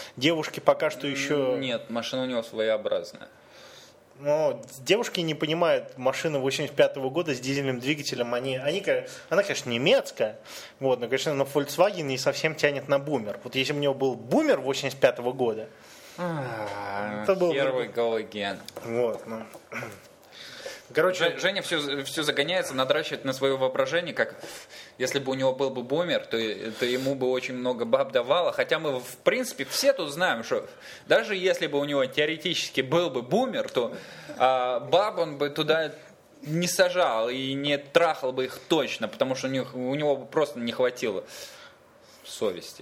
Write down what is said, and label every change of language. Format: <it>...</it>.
<ru>Девушки пока что еще... Нет, машина у него своеобразная. Но девушки не понимают машины 85-го года с дизельным двигателем. Она, конечно, немецкая, вот, но, конечно, на Volkswagen не совсем тянет на бумер. Вот если бы у него был бумер 85-го года, это был...</ru> <en>Here we go again.</en> <ru>Вот, ну. Короче, Женя все загоняется, надращивает на свое воображение, как если бы у него был бы бумер, то ему бы очень много баб давало. Хотя мы, в принципе, все тут знаем, что даже если бы у него теоретически был бы бумер, то баб он бы туда не сажал и не трахал бы их точно, потому что у него бы просто не хватило совести.</ru>